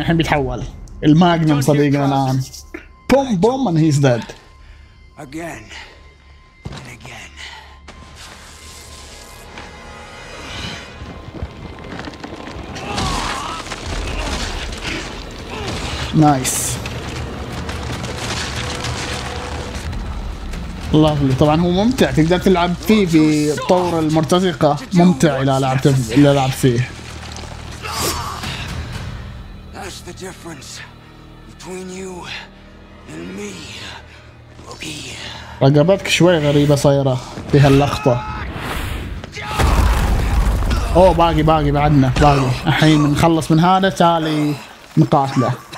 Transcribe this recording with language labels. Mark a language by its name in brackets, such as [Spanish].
[Arabic] الحين بيتحول الماجنم صديقنا الان. [English] Boom boom and he's dead again and again. [Arabic] نايس الله. طبعا هو ممتع تقدر تلعب فيه في طور المرتزقة، ممتع إلى لعب فيه. [English] That's the difference between you and me, Loki. [Arabic] رقبتك شوي غريبة صايرة في هاللقطة. أوه باقي بعدنا باقي الحين نخلص من هذا تالي نقاتله.